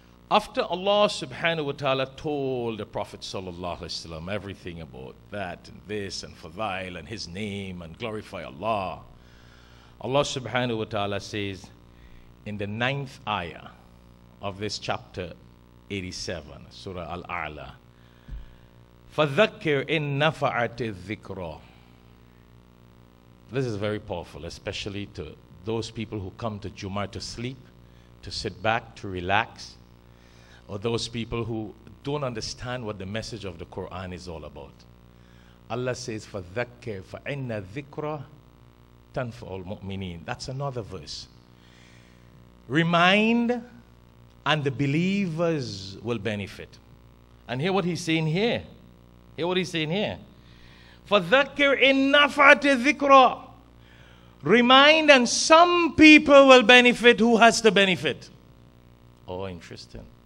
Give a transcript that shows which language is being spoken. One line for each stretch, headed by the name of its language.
English: After Allah subhanahu wa ta'ala told the Prophet sallallahu alaihi wasallam everything about that and this and fadail and His name and glorify Allah, Allah subhanahu wa ta'ala says in the 9th ayah of this chapter 87, Surah Al-A'la,
Arabic: فَذَكِّرْ إِن نَفَعَتِ الذِّكْرَى.
English: This is very powerful, especially to those people who come to Jummah to sleep, to sit back, to relax, or those people who don't understand what the message of the Quran is all about.
Arabic: Allah says, فَذَكِّرْ فَإِنَّ الذِّكْرَى تَنْفَعُ الْمُؤْمِنِينَ.
English: That's another verse. Remind, and the believers will benefit. And hear what he's saying here. Hear what he's saying here.
Arabic: فَذَكِّرْ إِنَّ فَعَتِ الذِّكْرَى.
English: Remind, and some people will benefit who has to benefit. Oh, interesting.